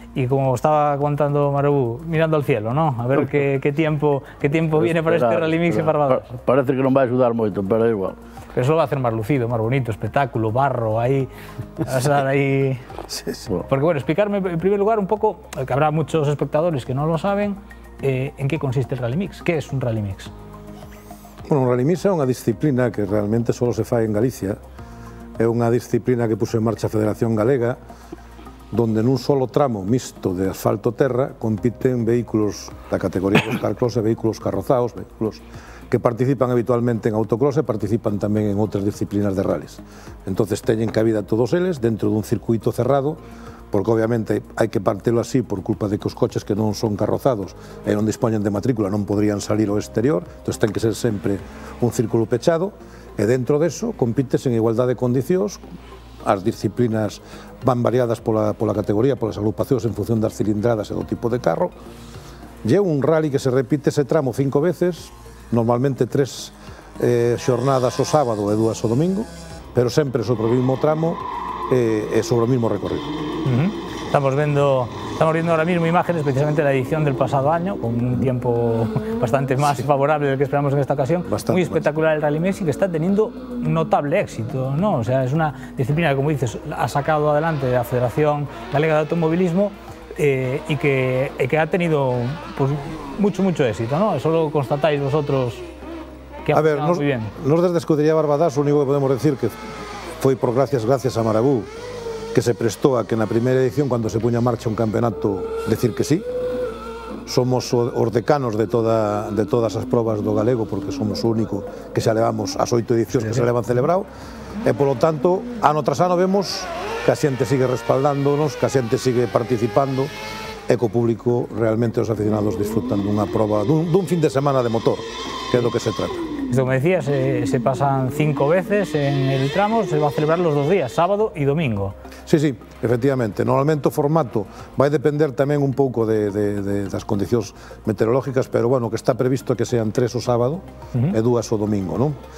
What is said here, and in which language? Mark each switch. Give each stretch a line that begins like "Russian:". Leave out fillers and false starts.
Spanish: Y como estaba contando Marabú, mirando al cielo, ¿no? A ver qué tiempo viene para este Rally Mix en Barbadas. Parece que no va a ayudar mucho, pero igual. Pero eso lo va a hacer más lucido, más bonito, espectáculo, barro, ahí, a estar ahí. Sí, sí. Porque bueno, explicarme en primer lugar un poco, que habrá muchos espectadores que no lo saben, en qué consiste el Rally Mix, qué es un Rally Mix.
Galician: Bueno, un Rally Mix é unha disciplina que realmente só se fai en Galicia. É unha disciplina que puso en marcha a Federación Galega, donde nun solo tramo mixto de asfalto-terra compiten vehículos da categoría dos carcross e vehículos carrozaos, vehículos que participan habitualmente en autocross e participan tamén en outras disciplinas de rallies. Entón, teñen cabida todos eles dentro dun circuito cerrado, porque obviamente hai que partelo así por culpa de que os coches que non son carrozados e non dispoñen de matrícula non podrían salir ao exterior, entón ten que ser sempre un círculo pechado, e dentro deso compites en igualdade de condicións, as disciplinas van variadas pola categoría, polas agrupacións en función das cilindradas e do tipo de carro, e é un rally que se repite ese tramo 5 veces, normalmente 3 xornadas o sábado e 2 o domingo, pero sempre sobre o mismo tramo, sobre o mismo recorrido.
Spanish: Estamos viendo ahora mismo imágenes, precisamente la edición del pasado año, con un tiempo bastante más favorable del que esperamos en esta ocasión. Bastante muy espectacular más. El Rally Mix, que está teniendo notable éxito, ¿no? O sea, es una disciplina que, como dices, ha sacado adelante la Federación Galega de Automovilismo y que ha tenido pues, mucho éxito, ¿no? Eso lo constatáis vosotros que ha funcionado muy bien. Nos desde Escudería Barbadas, lo único que podemos decir que fue por gracias a Marabú, que se prestó a que
Galician: na primeira edición, cando se puña en marcha un campeonato,
Spanish: decir que sí.
Galician: Somos os decanos de todas as probas do galego, porque somos o único que xa levamos as 8 edicións que se levan celebrado. E, polo tanto, ano tras ano vemos que a xente sigue respaldándonos, que a xente sigue participando, e co público realmente os aficionados disfrutan dunha proba, dun fin de semana de motor, que é do que se trata.
Spanish: Como decías, se pasan 5 veces en el tramo, se va a celebrar los 2 días, sábado y domingo. Sí, sí, efectivamente.
Galician: Normalmente o formato vai depender tamén un pouco das condicións meteorológicas, pero bueno, que está previsto
Spanish: que sean
Galician: 3 o sábado e 2 o domingo, non?